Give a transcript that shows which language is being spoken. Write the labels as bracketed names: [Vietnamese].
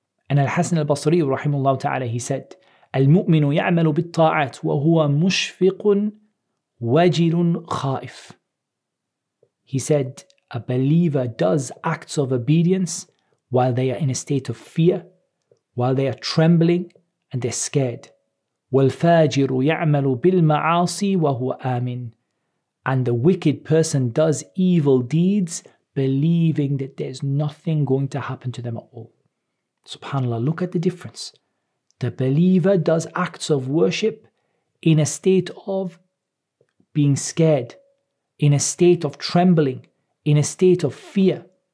[English] And Al-Hasan al-Basri, rahimahullah ta'ala, he said, [Arabic] المؤمن يعمل بالطاعات وهو مشفق وجل خائف. [English] He said, a believer does acts of obedience while they are in a state of fear, while they are trembling and they're scared. [Arabic] والفاجر يعمل بالمعاصي وهو آمن. [English] And the wicked person does evil deeds believing that there's nothing going to happen to them at all. SubhanAllah, look at the difference. The believer does acts of worship in a state of being scared, in a state of trembling, in a state of fear.